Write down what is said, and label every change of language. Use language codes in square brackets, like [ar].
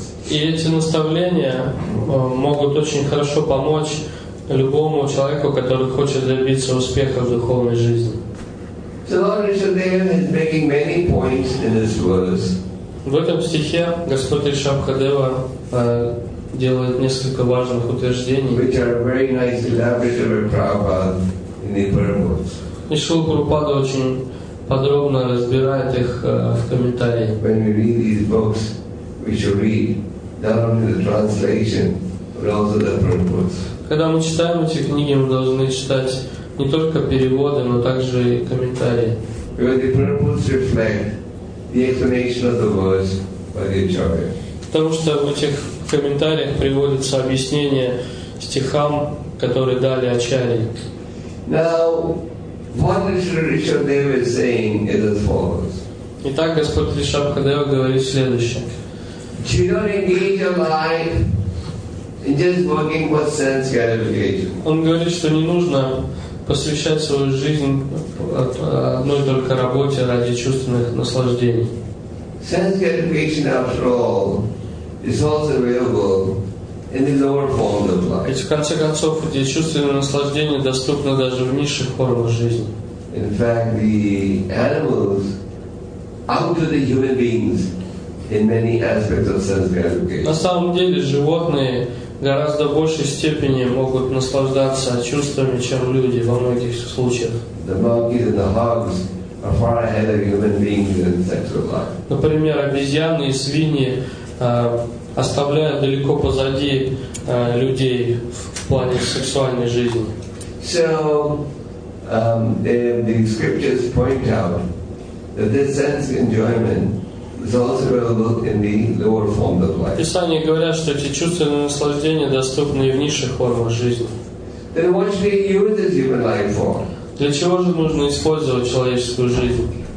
[ru] И эти наставления могут очень хорошо помочь любому человеку, который хочет добиться успеха в духовной жизни. [en] So Lord Rishabdev is making many points in this verse. [ru] В этом стихе Господь Ришабхадева делает несколько важных утверждений. [en] Which are very nice elaborative Prabhupada in the Purports. [ru] И Шрила Прабхупада очень подробно разбирает их в комментарии. [en] When we read these books, we should read not only the translation, but also the purports. [ru] Когда мы читаем эти книги, мы должны читать не только переводы, но также и комментарии. [en] Because the purports reflect the explanation of the words by the Acharya. [ru] Потому что в этих комментариях приводится объяснение стихам, которые дали Ачарьи. [en] Now, what Ришабхадева is saying is as follows. [ru] Итак, Господь Ришабхадева говорит следующее. [en] You don't engage your life in just working for sense gratification. [ru] Он говорит, что не нужно посвящать свою жизнь одной только работе ради чувственных наслаждений. [en] Sense gratification, after all, is also available in the lower forms of life. [ru] Ведь в конце концов, эти чувственные наслаждения доступны даже в низших формах жизни. [en] In fact, the animals outdo the human beings in many aspects of sense gratification. [ru] На самом деле, животные гораздо большей степени могут наслаждаться чувствами, чем люди во многих случаях. [en] The monkeys and the hogs are far ahead of human beings in sexual life. [ru] Например, обезьяны и свиньи оставляют далеко позади людей в плане сексуальной жизни. [en] So, the scriptures point out that this sense enjoyment is also available in the lower forms of life. [ru] Писания говорят, что эти чувственные наслаждения доступны и в низших формах жизни. [en] Then what should we use this human life for? [ru] Для чего же нужно использовать человеческую жизнь?